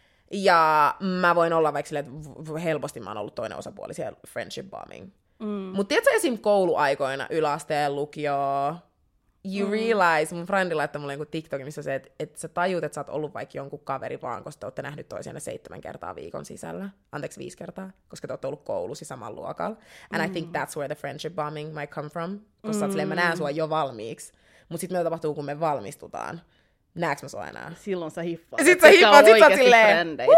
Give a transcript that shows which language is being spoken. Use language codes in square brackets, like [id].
[fi] Ja mä voin olla vaikka silleen, että helposti mä oon ollut toinen osapuoli siellä friendship bombing. Mm. Mutta tiedätkö esim. Kouluaikoina yläasteen lukio, realize, mun friendi laittoi mulle jonkun TikTokin, missä se, että sä tajut, että sä oot ollut vaikka jonkun kaveri vaan, koska te ootte nähnyt toisianne 7 kertaa viikon sisällä. Anteeksi, 5 kertaa, koska te ootte ollut koulussa saman luokalla. [en] And I think that's where the friendship bombing might come from. [fi] Koska sä oot silleen, mä näen sua jo valmiiksi. Mut sit mitä tapahtuu, kun me valmistutaan? Nääks mä sua enää? Silloin sä hiffaat. Sit sä hiffaat, sit sä oot silleen,